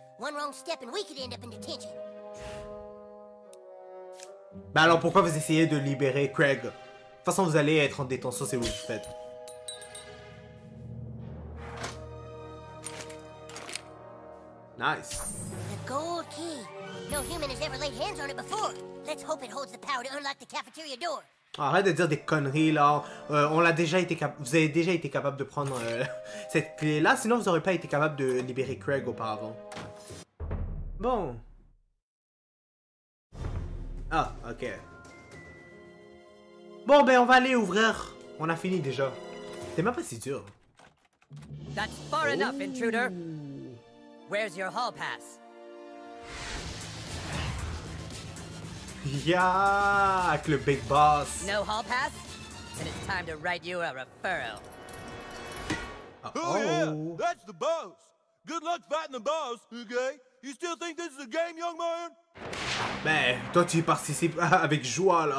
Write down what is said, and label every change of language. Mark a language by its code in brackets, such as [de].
[en] One wrong step and we could end up in detention. [fr] Bah alors, pourquoi vous essayez de libérer Craig? De toute façon, vous allez être en détention si vous le faites. [en] Nice. The gold key. No human has ever laid hands on it before. Let's hope it holds the power to unlock the cafeteria door. [fr] Arrête de dire des conneries là. On l'a déjà été vous avez déjà été capable de prendre cette clé là, sinon vous n'auriez pas été capable de libérer Craig auparavant. Bon. Ah, ok. Bon ben on va aller ouvrir. On a fini déjà. C'est même pas si dur. [en] That's far enough, intruder. Where's your hall pass? Yeah, le big boss. No hall pass? Then it's time to write you a referral. Oh yeah, that's the boss. Good luck fighting the boss, okay? You still think this is a game, young man? [fr] Ben, toi tu y participes avec joie là.